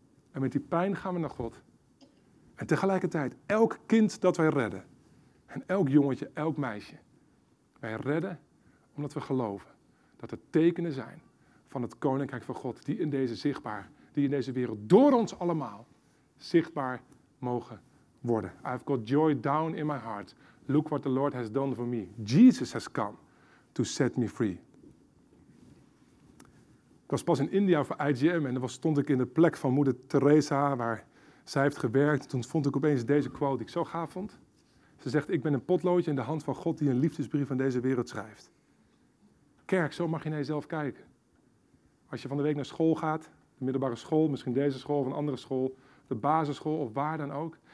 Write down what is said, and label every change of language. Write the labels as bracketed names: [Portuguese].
[Dutch] En met die pijn gaan we naar God. En tegelijkertijd, elk kind dat wij redden, en elk jongetje, elk meisje, wij redden omdat we geloven dat er tekenen zijn van het koninkrijk van God die in deze wereld door ons allemaal zichtbaar mogen worden. [English] I've got joy down in my heart. Look what the Lord has done for me. Jesus has come to set me free. [Dutch] Ik was pas in India voor IJM en dan stond ik in de plek van moeder Teresa waar zij heeft gewerkt. Toen vond ik opeens deze quote die ik zo gaaf vond. Ze zegt, ik ben een potloodje in de hand van God die een liefdesbrief aan deze wereld schrijft. Kerk, zo mag je naar jezelf kijken. Als je van de week naar school gaat, de middelbare school, misschien deze school of een andere school, de basisschool of waar dan ook.